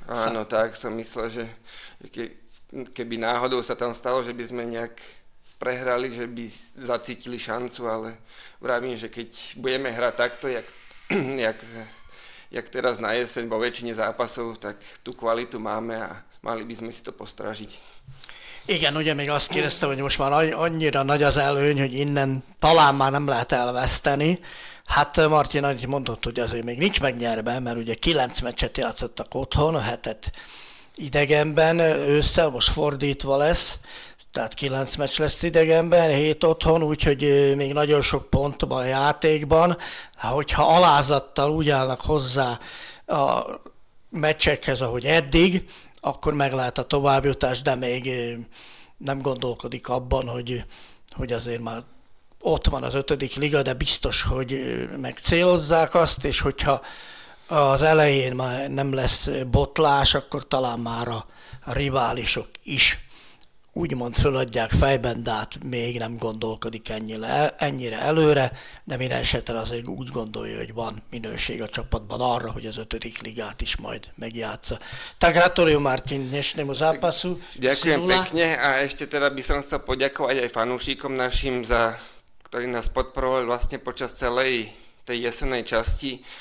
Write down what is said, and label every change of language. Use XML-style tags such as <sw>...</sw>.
<sk>Áno, tak som myslel, že keby náhodou sa tam stalo, že by sme nejak prehrali, že by zacítili šancu, ale vravím, že keď budeme hrať takto, jak teraz na jeseň vo väčšine zápasov, tak tú kvalitu máme a mali by sme si to postražiť.</sk> <hu>Igen, ugye még azt kérdeztem, hogy most már annyira nagy az előny, hogy innen talán már nem lehet elveszteni. Hát Martin annyit mondott, hogy azért még nincs megnyerve, mert ugye 9 meccset játszottak otthon, a hetet idegenben, ősszel most fordítva lesz, tehát 9 meccs lesz idegenben, 7 otthon, úgyhogy még nagyon sok pont van a játékban. Hogyha alázattal úgy állnak hozzá a meccsekhez, ahogy eddig, akkor meg lehet a továbbjutás, de még nem gondolkodik abban, hogy azért már ott van az 5. liga, de biztos, hogy megcélozzák azt, és hogyha az elején már nem lesz botlás, akkor talán már a riválisok is úgymond föladják fejben, de hát még nem gondolkodik ennyire előre, de minden esetre azért úgy gondolja, hogy van minőség a csapatban arra, hogy az 5. ligát is majd megjátsza.</hu> <sk>Tak gratulujem, Martin, dnešnému zápasu. Ďakujem pekne a ešte teda by som chcel poďakovať aj fanúšikom našim, ktorí nás podporovali vlastne počas celej tej jesennej časti.</sk>